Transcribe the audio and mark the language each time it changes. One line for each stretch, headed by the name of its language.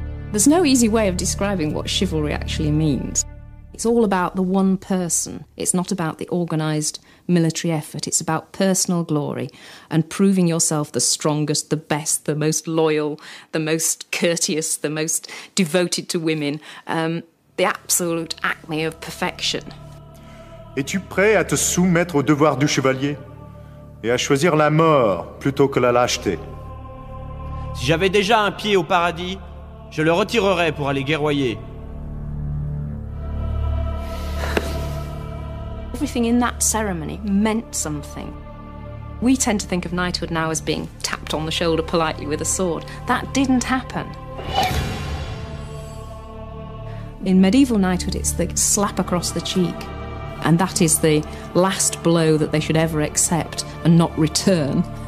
English: There's no easy way of describing what chivalry actually means. It's all about the one person. It's not about the organized military effort. It's about personal glory and proving yourself the strongest, the best, the most loyal, the most courteous, the most devoted to women. The absolute acme of perfection.
French: Es-tu prêt à te soumettre au devoir du chevalier et à choisir la mort plutôt que la lâcheté? Si j'avais déjà un pied au paradis, je le retirerais pour aller guerroyer.
English: Everything in that ceremony meant something. We tend to think of knighthood now as being tapped on the shoulder politely with a sword. That didn't happen. In medieval knighthood, it's the slap across the cheek, and that is the last blow that they should ever accept and not return.